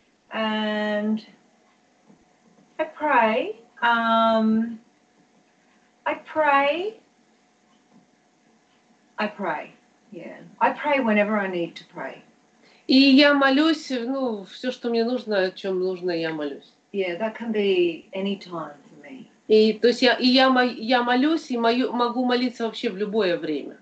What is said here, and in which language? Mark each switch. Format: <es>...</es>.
<en>And I pray. I pray. Yeah. I pray whenever I need to pray.</en> <ru>И я молюсь, ну, все, что мне нужно, о чем нужно, я молюсь.</ru> <en>Yeah, that can be any time for me.</en> <ru>И то есть я молюсь и могу молиться вообще в любое время.</ru>